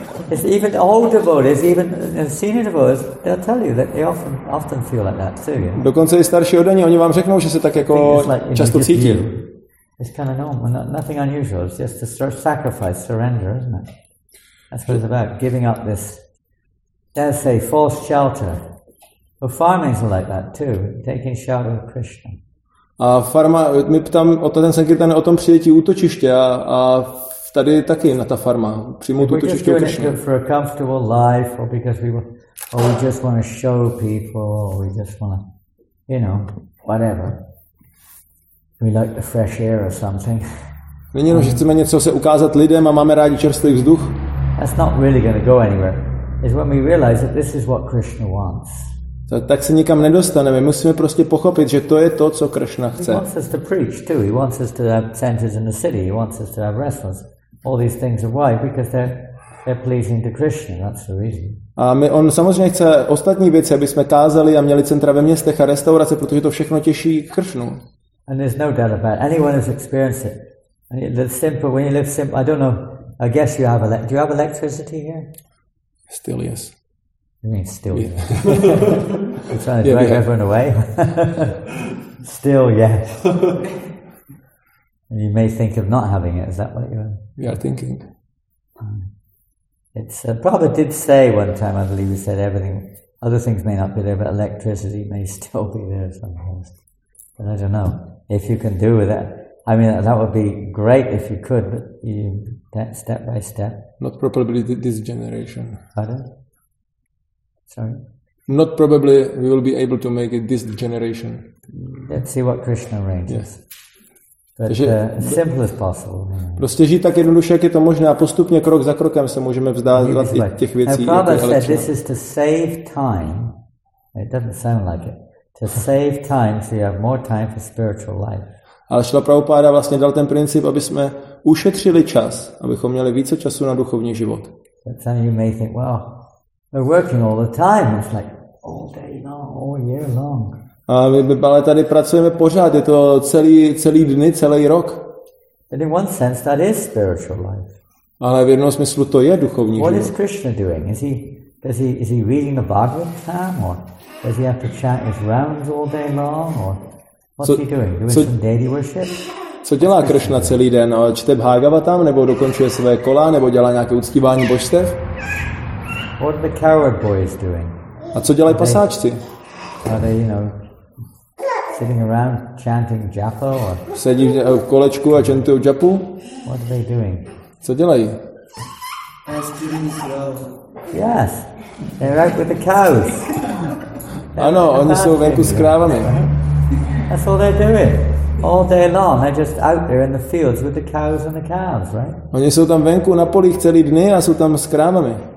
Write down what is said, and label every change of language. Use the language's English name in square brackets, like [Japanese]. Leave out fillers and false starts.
[English] It's even old devotees, even senior devotees, they'll tell you that they often feel like that too. Yeah? [Czech] Dokonce i starší oddaní, oni vám řeknou, že se tak jako často cítí. [English] It's kind of normal, nothing unusual, it's just a sacrifice, surrender, isn't it? That's what it's about, giving up this, dare say, false shelter. But farmings are like that too, taking shelter of Krishna. [Czech] A farma, my ptám o to, ten Sankirtan, o tom přijetí útočiště a tady taky na ta farma, přijmout útočiště Krishna. [English] We're just doing it for a comfortable life, or because we just want to show people, or we just want to, you know, whatever. We like the fresh air or something. [Czech] Není jenom, že chceme něco se ukázat lidem a máme rádi čerstvý vzduch. [English] That's not really going to go anywhere. is when we realize that this is what Krishna wants. [Czech] Tak se nikam nedostaneme. Musíme prostě pochopit, že to je to, co Krishna chce. [English] He wants us to preach too. He wants us to have centers in the city. He wants us to have wrestlers. All these things are why? Because they're pleasing to Krishna. That's the reason. [Czech] A my, on samozřejmě chce ostatní věci, aby jsme kázali a měli centra ve městech a restaurace, protože to všechno těší Krishnu. [English] And there's no doubt about it. Anyone has experienced it. The simple, when you live simple, I don't know. I guess you have do you have electricity here? Still yes. You mean still yes? You're trying to drive everyone away. Still yes. And you may think of not having it. Is that what you're? We are thinking. It's Prabhupada did say one time, I believe he said everything. Other things may not be there, but electricity may still be there sometimes. But I don't know if you can do with that. I mean, that would be great if you could, but you step by step. Not probably this generation. Pardon? Sorry? Not probably we will be able to make it this generation. Let's see what Krishna arranges. Yes. But [Czech] takže, [English] as simple as possible. [Czech] Prostě žít tak jednoduše, jak je to možné, a postupně krok za krokem se můžeme vzdávat i těch věcí. [English] Now, Prabhupada said this is to save time. It doesn't sound like it. To save time so you have more time for spiritual life. [Czech] Ale Šrila Prabhupáda vlastně dal ten princip, aby jsme ušetřili čas, abychom měli více času na duchovní život. [English] Sometimes you may think, well, we're working all the time. It's like all day long, all year long. [Czech] A my ale tady pracujeme pořád, je to celý dny, celý rok. [English] But in one sense, that is spiritual life. [Czech] Ale v jednom smyslu to je duchovní život. [English] What is Krishna doing? Is he reading the Bhagavatam, or does he have to chant his rounds all day long, or what's he doing? Doing some deity worship? [Czech] Co dělá Krishna celý den? Čte Bhagavatam, nebo dokončuje své kola, nebo dělá nějaké uctívání božstev? [English] What are the coward boys doing? [Czech] A co dělají pasáčci? [English] Are they, you know, sitting around chanting japa or? [Czech] Sedí v kolečku a chantují japu? [English] What are they doing? [Czech] Co dělají? [English] Yes, they're out with the cows. [Czech] Ano, oni jsou venku s krávami. [English] That's all they're doing. All day long, they're just out there in the fields with the cows and the calves, right? [Czech] Oni jsou tam venku na polích celý dny a jsou tam s krávami.